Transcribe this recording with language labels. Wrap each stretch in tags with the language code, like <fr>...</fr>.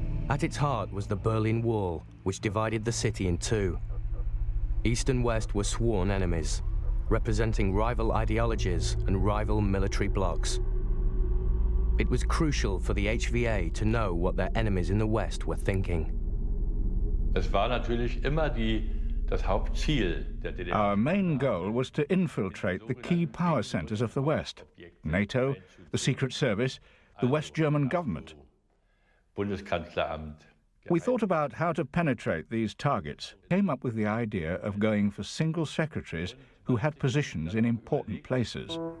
<en>At its heart was the Berlin Wall, which divided the city in two. East and West were sworn enemies, representing rival ideologies and rival military blocs. It was crucial for the HVA to know what their enemies in the West were thinking.</en> <de>Es war natürlich immer das Hauptziel der DDR.</de> <en>Our main goal was to infiltrate the key power centers of the West, NATO, the Secret Service, the West German government. We thought about how to penetrate these targets, came up with the idea of going for single secretaries who had positions in important places.</en>